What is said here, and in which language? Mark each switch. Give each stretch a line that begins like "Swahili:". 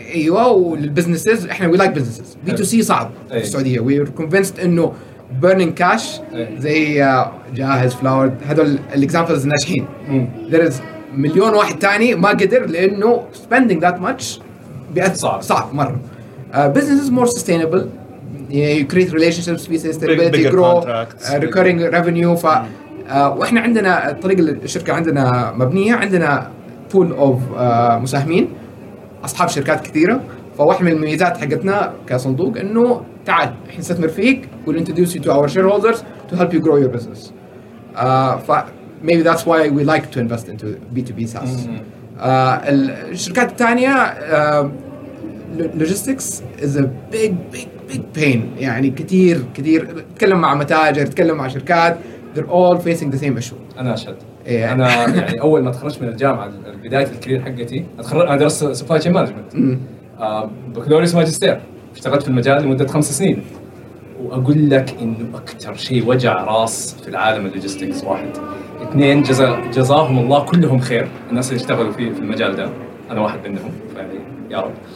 Arabic: ايوه وللبزنسز احنا
English: we like businesses B to C
Arabic: صعب في السعوديه
English: we are convinced
Arabic: انه
English: burning cash
Arabic: زي جاهز فلاور هذول الاكزامبلز الناجحين
English: there is
Arabic: مليون واحد تاني ما قدر لانه
English: spending that much
Arabic: بيأثر صعب مرة.
English: Business is more sustainable. You create relationships, business stability, bigger grow, contracts, recurring bigger. revenue.
Arabic: ف وإحنا عندنا الطريق الشركة عندنا مبنية عندنا
English: pool of
Arabic: مساهمين أصحاب شركات كثيرة. فواحد من الميزات حقتنا كصندوق إنه تعال إحنا نستثمر فيك.
English: We'll introduce you to our shareholders to help you grow your business.
Arabic: ف
English: maybe that's why we like to invest into B2B SaaS.
Arabic: الشركات الثانية
English: logistics is a big pain
Arabic: يعني كثير تتكلم مع متاجر تتكلم مع شركات
English: they're all facing the same issue
Arabic: أنا أشهد أنا يعني أول ما تخرجت من الجامعة بداية الكارير حقتي أنا درست supply chain management بكالوريوس ماجستير اشتغلت في المجال لمدة 5 سنين وأقول لك إنه أكثر شيء وجع راس في العالم logistics واحد اثنين جزاهم الله كلهم خير الناس اللي اشتغلوا في المجال ده انا واحد منهم يعني يا رب